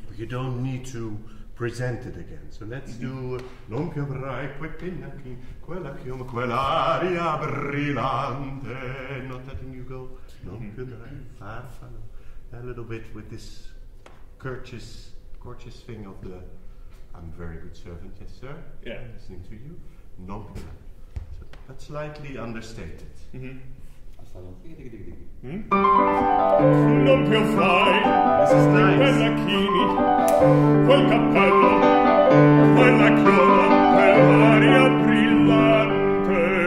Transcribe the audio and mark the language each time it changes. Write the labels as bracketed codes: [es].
[en] But you don't need to present it again. So let's mm-hmm. do [it] non più avrai quei pennacchini, quella chioma, quell'aria brillante. [en] Not letting you go. [it] Non più avrai farfalla. [en] A little bit with this courteous thing of the I'm a very good servant, yes sir. Yeah. Listening to you. [it] Non più avrai. [en] So that's slightly understated. Mm-hmm. [it] Non più fai quei pennacchini, quel cappello, quella chioma, quell'aria brillante.